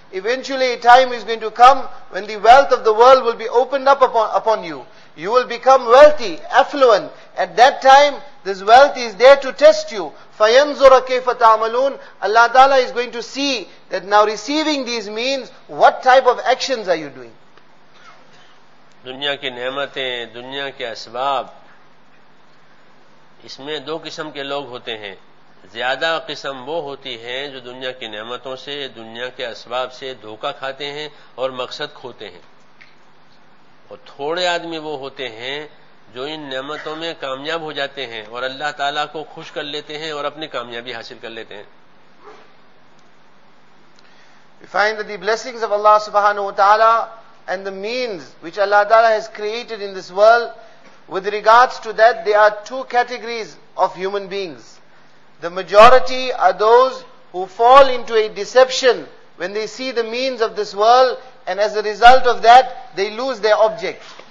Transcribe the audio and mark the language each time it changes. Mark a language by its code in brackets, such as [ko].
[en] Eventually a time is going to come when the wealth of the world will be opened up upon you. You will become wealthy, affluent. At that time, this wealth is there to test you. [ar] فَيَنْزُرَ كَيْفَ تَعْمَلُونَ [en] Allah Ta'ala is going to see that now receiving these means, what type of actions are you doing? [ur] دنیا کی نعمتیں, دنیا کے اسباب, اس میں دو قسم کے لوگ ہوتے ہیں. زیادہ قسم وہ ہوتی ہے جو دنیا کی نعمتوں سے, دنیا کے اسباب سے دھوکہ کھاتے ہیں اور مقصد کھوتے ہیں. اور تھوڑے آدمی وہ ہوتے ہیں جو ان نعمتوں میں کامیاب ہو جاتے ہیں اور اللہ تعالیٰ کو خوش کر لیتے ہیں اور اپنی کامیابی حاصل کر لیتے ہیں. [en] We find that the blessings of Allah subhanahu wa ta'ala and the means which Allah ta'ala has created in this world, with regards to that, there are two categories of human beings. The majority are those who fall into a deception when they see the means of this world, and as a result of that, they lose their object.